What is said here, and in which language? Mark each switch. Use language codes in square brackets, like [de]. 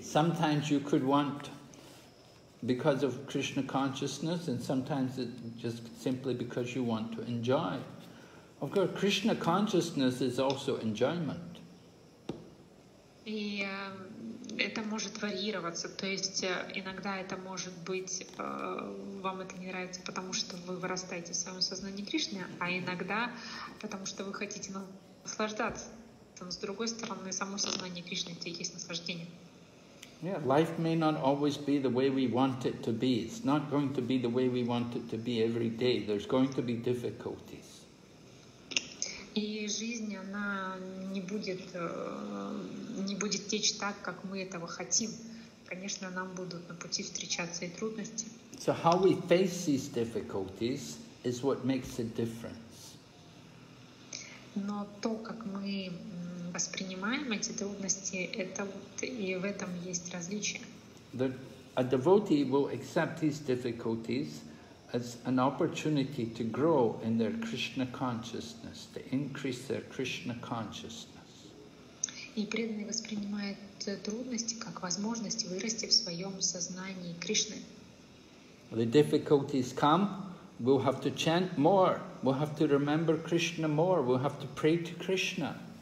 [en] Sometimes you could want because of Krishna consciousness, and sometimes it just simply because you want to enjoy. Of course, Krishna consciousness is also enjoyment. [ru] И это может варьироваться. То есть иногда это может быть вам это не нравится, потому что вы вырастаете в своем сознании Кришны, а иногда потому что вы хотите наслаждаться. Но с другой стороны, само сознание Кришны это и есть наслаждение. [en] Yeah, life may not always be the way we want it to be. It's not going to be the way we want it to be every day. There's going to be difficulties. [ru] И жизнь, она не будет течь так, как мы этого хотим. Конечно, нам будут на пути встречаться и трудности. [en] So how we face these difficulties is what makes a difference. [ru] Но то, как мы воспринимаем эти трудности, это вот и в этом есть различие. [en] A devotee will accept these difficulties as an opportunity to grow in their Krishna consciousness, to increase their Krishna consciousness. [ru] И преданный воспринимает трудности как возможность вырасти в своем сознании Кришны. [en] The difficulties come. We'll have to chant more. We'll have to remember Krishna more. We'll have to pray to Krishna.